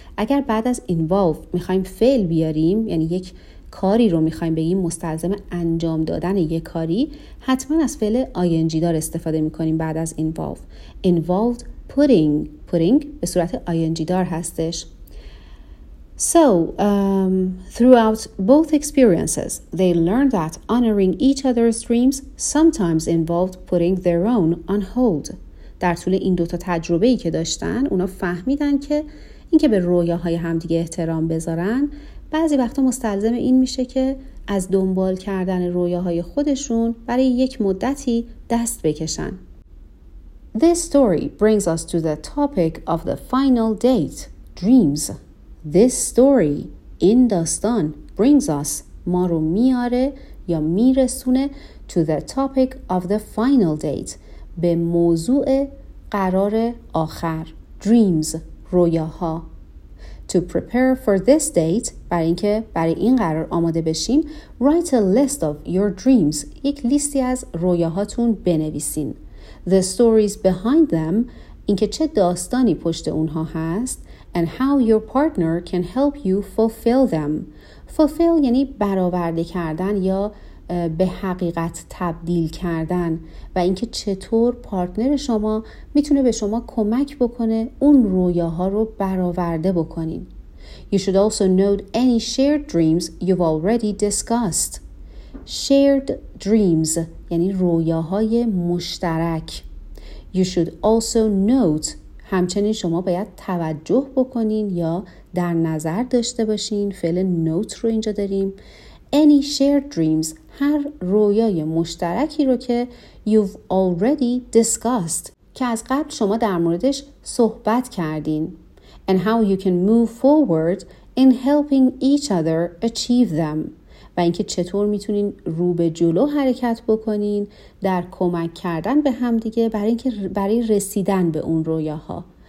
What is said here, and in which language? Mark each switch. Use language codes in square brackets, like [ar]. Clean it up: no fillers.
[fa] اگر بعد از involve میخواییم فعل بیاریم یعنی یک کاری رو میخواییم بگیم مستلزم انجام دادن یک کاری حتما از فعل ing دار استفاده میکنیم بعد از involve. [en] Involved putting. [fa] Putting به صورت ing دار هستش. [en] So, throughout both experiences, they learned that honoring each other's dreams sometimes involved putting their own on hold. [fa] در طول این دوتا تجربهی که داشتن، اونا فهمیدن که اینکه به رویاهای همدیگه احترام بذارن، بعضی وقتا مستلزم این میشه که از دنبال کردن رویاهای خودشون برای یک مدتی دست بکشن. [en] This story brings us to the topic of the final date, dreams. This story, [fa] این داستان, [en] brings us, [fa] ما رو میاره یا میرسونه [en] to the topic of the final date, [fa] به موضوع قرار آخر, [en] dreams, رویاها. To prepare for this date, [fa] برای اینکه برای این قرار آماده بشیم, [en] write a list of your dreams, [fa] یک لیستی از رویاهاتون بنویسین. [en] The stories behind them, [fa] اینکه چه داستانی پشت اونها هست, [en] and how your partner can help you fulfill them. [fa] Fulfill یعنی برآورده کردن یا به حقیقت تبدیل کردن و اینکه چطور پارتنر شما میتونه به شما کمک بکنه اون رویاها رو برآورده بکنین. [en] You should also note any shared dreams you've already discussed. [fa] Shared dreams یعنی رویاهای مشترک. [en] You should also note [fa] همچنین شما باید توجه بکنین یا در نظر داشته باشین، فعل نوت رو اینجا داریم، [en] any shared dreams، [fa] هر رویای مشترکی رو که [en] you've already discussed، [fa] که از قبل شما در موردش صحبت کردین، [en] and how you can move forward in helping each other achieve them، [fa] و اینکه چطور میتونین رو به جلو حرکت بکنین در کمک کردن به همدیگه برای اینکه برای رسیدن به اون رویاها.